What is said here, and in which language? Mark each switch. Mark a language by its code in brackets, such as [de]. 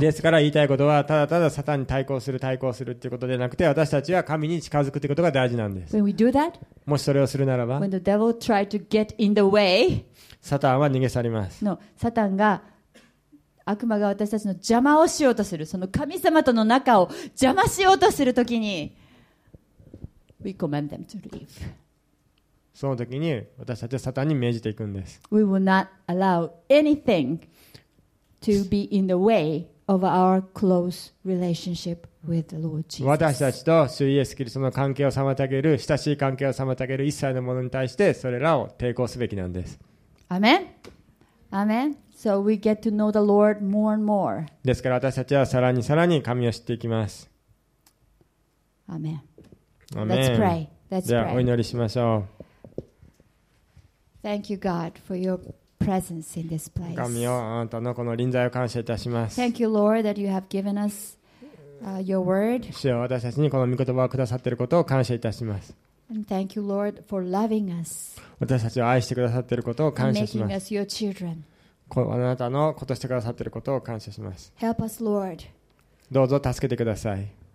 [ja] ですから言いたいことはただただサタンに対抗するっていうことでなくて、私たちは神に近づくっていうことが大事なんです。 [en] When we do that, [ja] もしそれをするならば、 [en] when the devil tried to get in the way, [ja] サタンは逃げ去ります。 No, サタンが悪魔が私たちの邪魔をしようとする、その神様との仲を邪魔しようとするときに、 [en] we command them to leave. [ja] その時に私たちはサタンに命じていくんです。 [en] We will not allow anything to be in the way of our close relationship with the Lord Jesus. [ja] 私たちと主イエスキリストの関係を妨げる、親しい関係を妨げる一切のものに対してそれらを抵抗すべきなんです。 [en] Amen. Amen. So we get to know the Lord more and more. [ja] ですから私たちはさらにさらに神を知っていきます。 [en] Amen. Amen. Let's pray. Let's pray. [ja] ではお祈りしましょう。 [en] Thank you, God, for your presence in this place. [ja] 神よ、あなたのこの臨在を感謝いたします。 [en] Thank you, Lord, that you have given us your word. [ja] 主よ、私たちにこの御言葉をくださっていることを感謝いたします。 [en] And thank you, Lord, for loving us. [ja] 私たちを愛してくださっていることを感謝します。 [en] And making us your children. [ja] あなたのことしてくださっていることを感謝します。 [en] Help us, Lord. [ja] どうぞ助けてください。